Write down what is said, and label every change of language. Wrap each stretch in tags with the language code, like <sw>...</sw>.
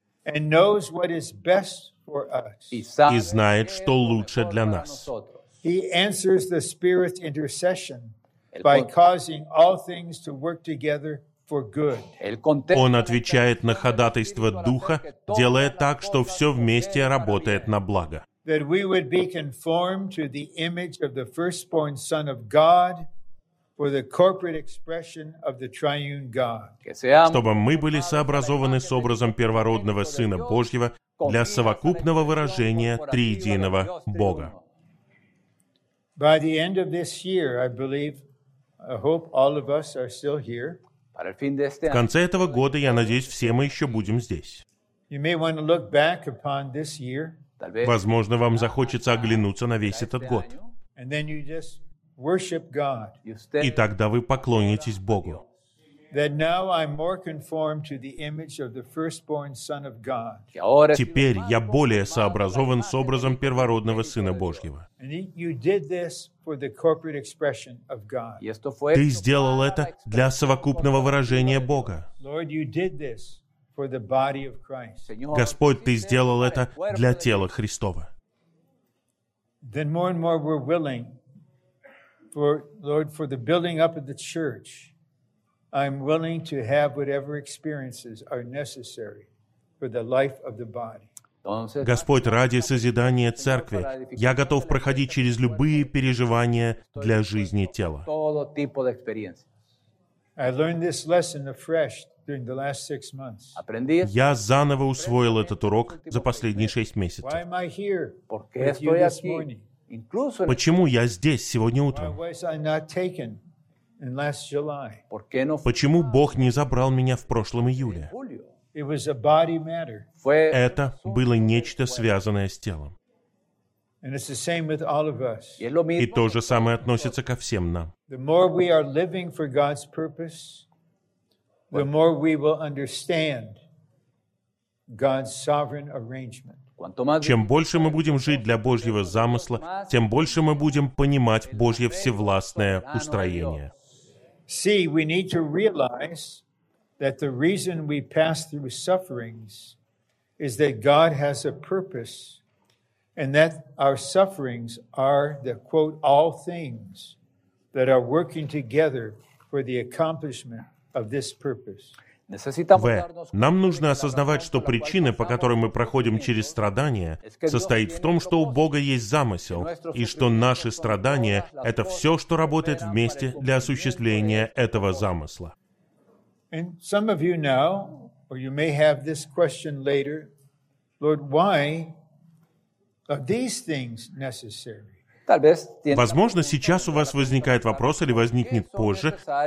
<ru>И знает, что лучше для нас.</ru> <en>He answers the Spirit's intercession by causing all things to work together for good.</en> <ru>Он отвечает на ходатайство Духа, делая так, что все вместе работает на благо.</ru> <en>That we would be conformed to the image of the firstborn Son of God for the corporate expression of the triune God.</en> <ru>Чтобы мы были сообразованы с образом первородного Сына Божьего для совокупного выражения триединого Бога.</ru> <en>By the end of this year, I believe, I hope all of us are still here.</en> <ru>В конце этого года, я надеюсь, все мы еще будем здесь.</ru> <en>You may want to look back upon this year.</en> <ru>Возможно, вам захочется оглянуться на весь этот год.</ru> <en>And then you just worship God.</en> <ru>И тогда вы поклонитесь Богу.</ru> <en>That now I'm more conformed to the image of the firstborn Son of God.</en> <ru>Теперь я более сообразован с образом первородного Сына Божьего.</ru> <en>And you did this for the corporate expression of God.</en> <ru>Ты сделал это для совокупного выражения Бога.</ru> <en>Lord, you did this for the body of Christ.</en> <ru>Господь, ты сделал это для тела Христова.</ru> <en>Then more and more we're willing for Lord for the building up of the church. I'm willing to have whatever experiences are necessary for the life of the body.</en> <ru>Господь, ради созидания церкви, я готов проходить через любые переживания для жизни тела.</ru> <en>I learned this lesson afresh during the last 6 months.</en> <ru>Я заново усвоил этот урок за последние 6 месяцев.</ru> <en>Why am I here? With you this morning?</en> <ru>Почему я здесь сегодня утром?</ru> <en>Why was I not taken? In last July.</en> <ru>Почему Бог не забрал меня в прошлом июле?</ru> <en>It was a body matter.</en> <ru>Это было нечто, связанное с телом.</ru> <en>And it's the same with all of us.</en> <ru>И то же самое относится ко всем нам.</ru> <en>The more we are living for God's purpose, the more we will understand God's sovereign arrangement.</en> <ru>Чем больше мы будем жить для Божьего замысла, тем больше мы будем понимать Божье всевластное устроение.</ru> <en>See, we need to realize that the reason we pass through sufferings is that God has a purpose and that our sufferings are the, quote, all things that are working together for the accomplishment</en> <ru>В. Нам нужно осознавать, что причина, по которой мы проходим через страдания, состоит в том, что у Бога есть замысел, и что наши страдания — это все, что работает вместе для осуществления этого замысла. Возможно, сейчас у вас возникает вопрос или возникнет позже.</ru>